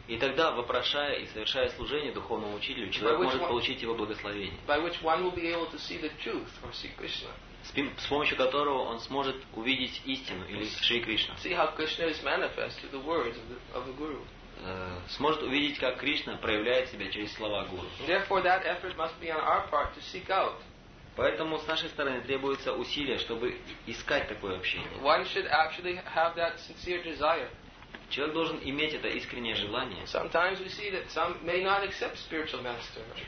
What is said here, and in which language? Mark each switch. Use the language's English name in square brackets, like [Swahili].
[Russian] И тогда, вопрошая и совершая служение духовному учителю, человек может получить его благословение. [English] By which one will be able to see the truth or see Krishna. [Russian] С помощью которого он сможет увидеть истину или Шри Кришна. [English] See how Krishna is manifest through the words of the guru. [Russian] Сможет увидеть, как Кришна проявляет себя через слова гуру. [English] Therefore, that effort must be on our part to seek out. [Russian] Поэтому с нашей стороны требуется усилие, чтобы искать такое общение. [English] One should actually have that sincere desire. [Russian] Человек должен иметь это искреннее желание. [English] Sometimes we see that some may not accept spiritual master.